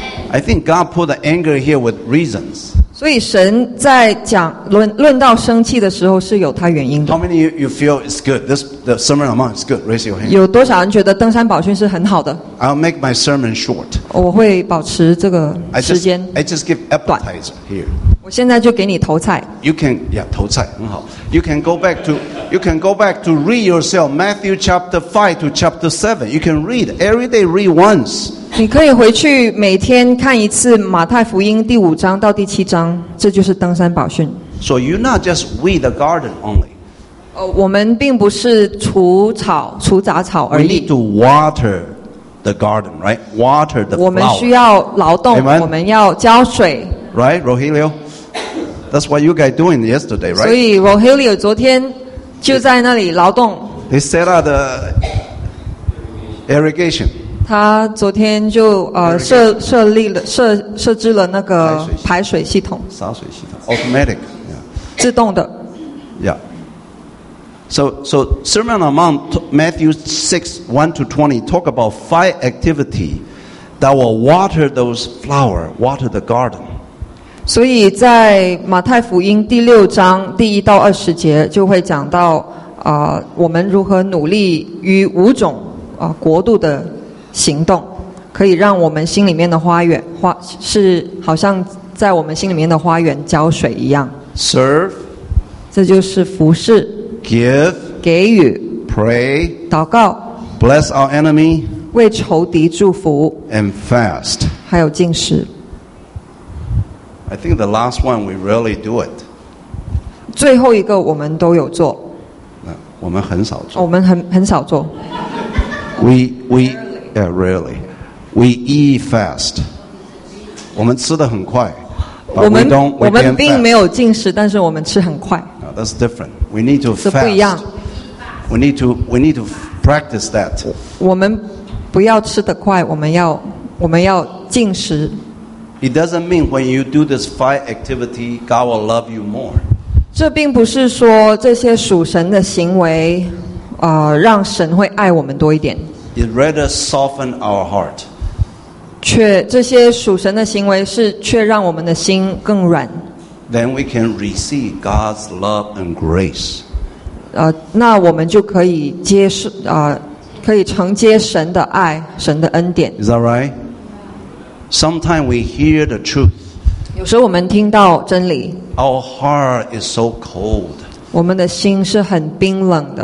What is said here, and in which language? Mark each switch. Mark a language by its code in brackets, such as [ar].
[en] I think God put the anger here with reasons. [zh] 所以神在讲 论到生气的时候是有他原因的。 [en] How many of you feel it's good? This, the sermon amount is good. Raise your hand. [zh] 有多少人觉得登山宝训是很好的？ [en] I'll make my sermon short. [zh] 我会保持这个时间。 [en] I just give appetizer here. [zh] 我现在就给你投菜。 [en] You can, yeah, [zh] 投菜很好。 [en] You can go back to read yourself Matthew chapter 5 to chapter 7. You can read every day, read once. [zh] 你可以回去每天看一次马太福音第五章到第七章，这就是登山宝训。 [en] So you're not just weed the garden only. [zh] 我们并不是除草除杂草而已。 [en] We need to water the garden, right? Water the flower. [zh] 我们需要劳动， [en] Amen? [zh] 我们要浇水。 [en] Right, Rogelio? That's what you guys doing yesterday, right? [zh] 所以 Rogelio 昨天就在那里劳动。 [en] They set up the irrigation. [zh] 他昨天就设置了那个排水系统。洒水系统 ，automatic，自动的。 [en] Yeah. So Sermon on the Mount, Matthew 6:1-20, talk about five activity that will water those flower, water the garden. [zh] 所以在马太福音第六章第一到二十节就会讲到我们如何努力于五种国度的行动，可以让我们心里面的花园是好像在我们心里面的花园浇水一样。 [en] Serve， [zh] 这就是服事。 [en] Give， [zh] 给予。 [en] Pray， [zh] 祷告。 [en] Bless our enemy， [zh] 为仇敌祝福。 [en] And fast， [zh] 还有禁食。 [en] I think the last one we really do it. [zh] 最后一个我们都有做。我们很少做。我们很少做。 [en] We yeah, really. We eat fast. [zh] 我们吃得很快。我们并没有进食，但是我们吃很快。 [en] No, that's different. We need to fast. [zh] 这不一样。 [en] We need to practice that. [zh] 我们不要吃得快，我们要进食。 [en] It doesn't mean when you do this five activity, God will love you more. [zh] 这并不是说这些属神的行为，让神会爱我们多一点。 [en] It rather soften our heart. [zh] 却这些属神的行为是却让我们的心更软。 [en] Then we can receive God's love and grace. [zh] 那我们就可以接受，可以承接神的爱，神的恩典。 [en] Is that right? Sometimes we hear the truth. [zh] 有时候我们听到真理。 [en] Our heart is so cold. [zh] 我们的心是很冰冷的。